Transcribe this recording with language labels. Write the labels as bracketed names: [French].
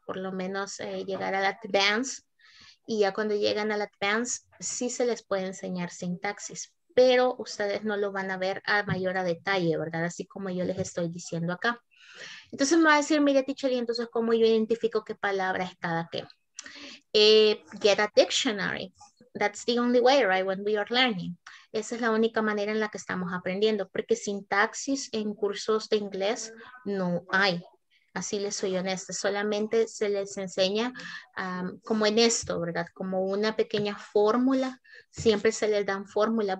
[Spanish] Por lo menos llegar al advanced. Y ya cuando llegan al advanced, sí se les puede enseñar sintaxis, pero ustedes no lo van a ver a mayor a detalle, ¿verdad? Así como yo les estoy diciendo acá. Entonces me va a decir, mire, teacher, ¿y entonces cómo yo identifico qué palabra es cada qué? [English] Get a dictionary. That's the only way, right, when we are learning. [Spanish] Esa es la única manera en la que estamos aprendiendo, porque sintaxis en cursos de inglés no hay. Así les soy honesta, solamente se les enseña como en esto, ¿verdad? Como una pequeña fórmula, siempre se les dan fórmulas.